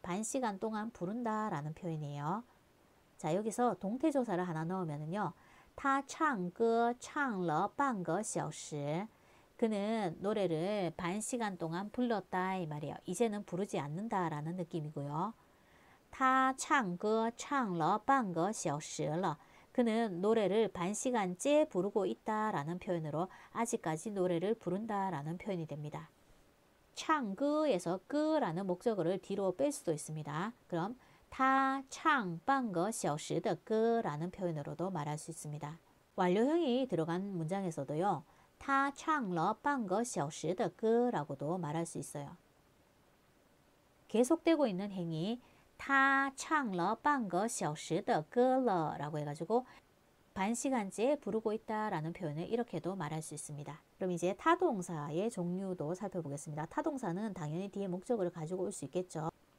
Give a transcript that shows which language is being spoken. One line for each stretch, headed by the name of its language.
Korean: 반 시간 동안 부른다라는 표현이에요. 자, 여기서 동태조사를 하나 넣으면은요.
Chinese: 他唱歌唱了半个小时.
Korean: 그는 노래를 반 시간 동안 불렀다 이 말이에요. 이제는 부르지 않는다라는 느낌이고요.
Chinese: 他唱歌唱了半个小时了.
Korean: 그는 노래를 반 시간째 부르고 있다라는 표현으로 아직까지 노래를 부른다라는 표현이 됩니다. 唱歌에서 歌라는 목적어를 뒤로 뺄 수도 있습니다. 그럼
Chinese: 他唱半个小时的歌
Korean: 라는 표현으로도 말할 수 있습니다. 완료형이 들어간 문장에서도요.
Chinese: 他唱了半个小时的歌
Korean: 라고도 말할 수 있어요. 계속되고 있는 행위
Chinese: 他唱了半个小时的歌了
Korean: 라고 해가지고 반시간째 부르고 있다라는 표현을 이렇게도 말할 수 있습니다. 그럼 이제 타동사의 종류도 살펴보겠습니다. 타동사는 당연히 뒤에 목적어를 가지고 올수 있겠죠.